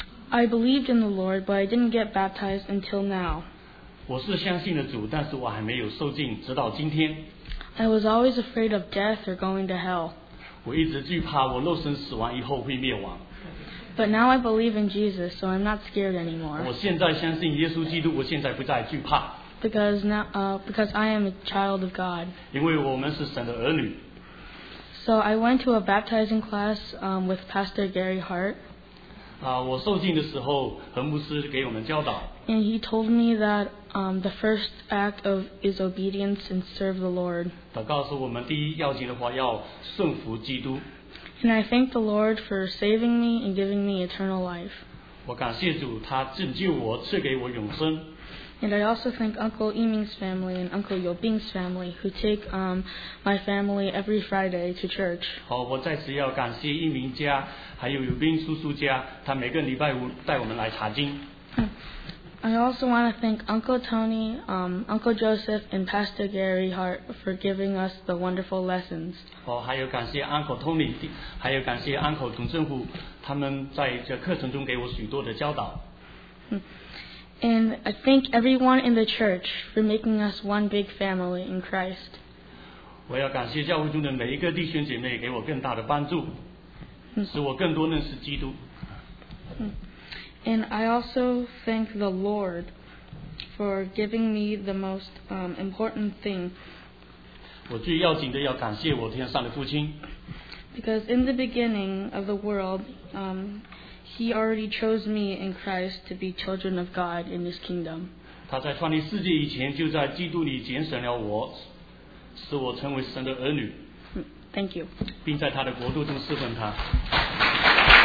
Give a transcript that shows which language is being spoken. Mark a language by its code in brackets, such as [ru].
[en] I believed in the Lord, but I didn't get baptized until now. [zh] 我是相信了主，但是我还没有受浸，直到今天。 [en] I was always afraid of death or going to hell. [zh] 我一直惧怕我肉身死亡以后会灭亡。 [en] But now I believe in Jesus, so I'm not scared anymore. [zh] 我现在相信耶稣基督，我现在不再惧怕。 [en] Because I am a child of God. [zh] 因为我们是神的儿女。 [en] So I went to a baptizing class with Pastor Gary Hart. [zh] 我受浸的时候，何牧师给我们教导。 [en] And he told me that the first act of is obedience and serve the Lord. [zh] 他告诉我们第一要紧的话要顺服基督。 [en] And I thank the Lord for saving me and giving me eternal life. [zh] 我感谢主，他拯救我，赐给我永生。 [en] And I also thank Uncle Yiming's family and Uncle Yobing's family who take my family every Friday to church. [zh] 我再次要感谢一鸣家，还有友兵叔叔家，他每个礼拜五带我们来查经。 [en] I also want to thank Uncle Tony, Uncle Joseph, and Pastor Gary Hart for giving us the wonderful lessons. [zh] 还有感谢 Uncle Tony, 还有感谢 Uncle 总政府，他们在这课程中给我许多的教导。 [en] And I thank everyone in the church for making us one big family in Christ. [zh] 我要感谢教会中的每一个弟兄姐妹给我更大的帮助，使我更多认识基督。 [en] And I also thank the Lord for giving me the most important thing. [zh] 我最要紧的要感谢我天上的父亲。 [en] Because in the beginning of the world, He already chose me in Christ to be children of God in His kingdom. [zh] 他在创立世界以前就在基督里拣选了我，使我成为神的儿女。 [en] Thank you. [zh] 并在他的国度中侍奉他。